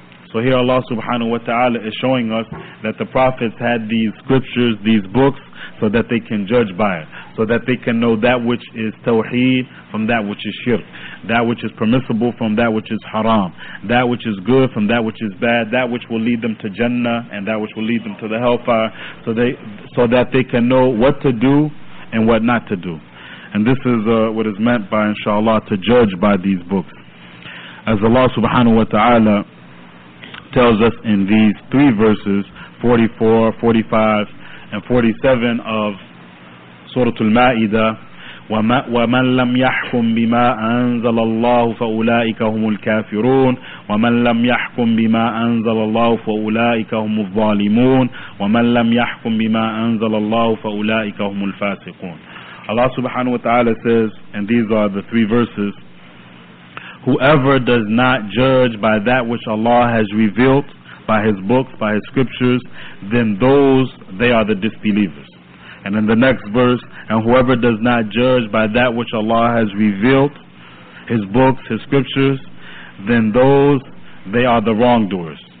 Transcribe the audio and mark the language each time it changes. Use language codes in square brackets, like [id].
[en] So here Allah subhanahu wa ta'ala is showing us that the prophets had these scriptures, these books, so that they can judge by it, so that they can know that which is tawheed from that which is shirk, that which is permissible from that which is haram, that which is good from that which is bad, that which will lead them to Jannah and that which will lead them to the hellfire, so that they can know what to do and what not to do. And this is what is meant by, inshallah, to judge by these books. [ar] As Allah subhanahu wa ta'ala tells us in these three verses, 44, 45, and 47 of Surah Al-Ma'idah, وَمَنْ لَمْ يَحْكُمْ بِمَا أَنزَلَ اللَّهُ فَأُولَٰئِكَ هُمُ الْكَافِرُونَ وَمَنْ لَمْ يَحْكُمْ بِمَا أَنزَلَ اللَّهُ فَأُولَٰئِكَ هُمُ الظَّالِمُونَ وَمَنْ لَمْ يَحْكُمْ بِمَا أَنزَلَ اللَّهُ فَأُولَٰئِكَ هُمُ الْفَاسِقُونَ. [en] Allah subhanahu wa ta'ala says, and these are the three verses, whoever does not judge by that which Allah has revealed, by His books, by His scriptures, then those, they are the disbelievers. And in the next verse, and whoever does not judge by that which Allah has revealed, His books, His scriptures, then those, they are the wrongdoers.